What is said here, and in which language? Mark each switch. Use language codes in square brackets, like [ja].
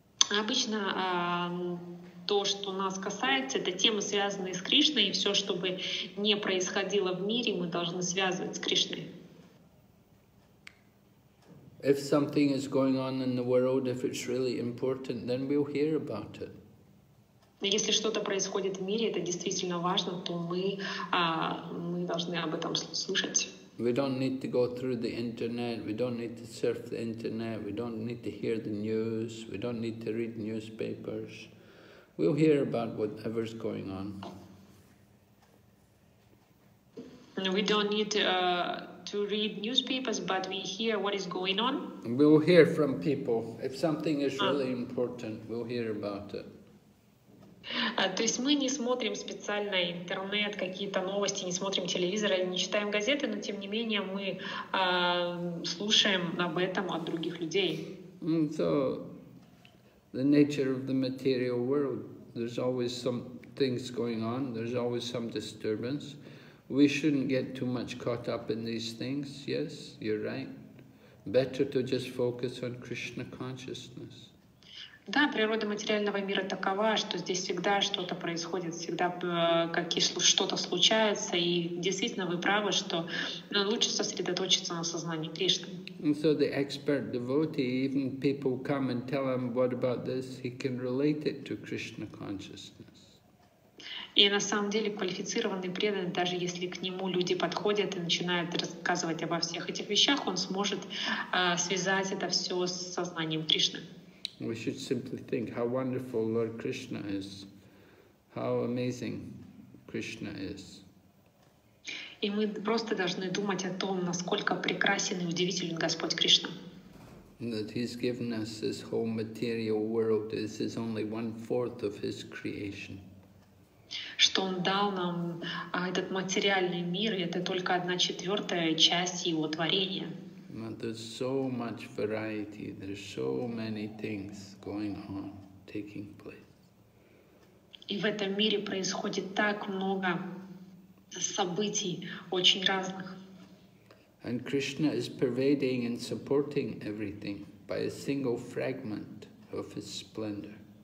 [ru] Обычно то, что нас касается, это темы, связанные с Кришной, и все, чтобы не происходило в мире, мы должны связывать с Кришной. [en] If something is going on in the world, if it's really important, then we'll hear about it. [ru] Если что-то происходит в мире, это действительно важно, то мы должны об этом слушать. [en] We don't need to go through the internet, we don't need to surf the internet, we don't need to hear the news, we don't need to read newspapers. We'll hear about whatever's going on. We don't need to read newspapers, but we hear what is going on. We'll hear from people. If something is really important, we'll hear about it. [ru] То есть мы не смотрим специально интернет, какие-то новости, не смотрим телевизор, не читаем газеты, но тем не менее мы слушаем об этом от других людей. [en] So, the nature of the material world, there's always some things going on, there's always some disturbance. We shouldn't get too much caught up in these things, yes, you're right. Better to just focus on Krishna consciousness. [ru] Да, природа материального мира такова, что здесь всегда что-то происходит, всегда что-то случается, и действительно вы правы, что лучше сосредоточиться на сознании Кришны. [en] And so the expert devotee, even people come and tell him, what about this? He can relate it to Krishna consciousness. [ru] И на самом деле квалифицированный преданный, даже если к нему люди подходят и начинают рассказывать обо всех этих вещах, он сможет связать это все с сознанием Кришны. [en] We should simply think how wonderful Lord Krishna is, how amazing Krishna is. [ru] И мы просто должны думать о том, насколько прекрасен и удивителен Господь Кришна. [en] That He's given us this whole material world. This is only 1/4 of His creation. [ru] Что Он дал нам этот материальный мир, и это только 1/4 часть Его творения. [en] But there's so much variety, there's so many things going on, taking place. [ru] И в этом мире происходит так много событий, очень разных. [en] And Krishna is pervading and supporting everything by a single fragment of His splendor.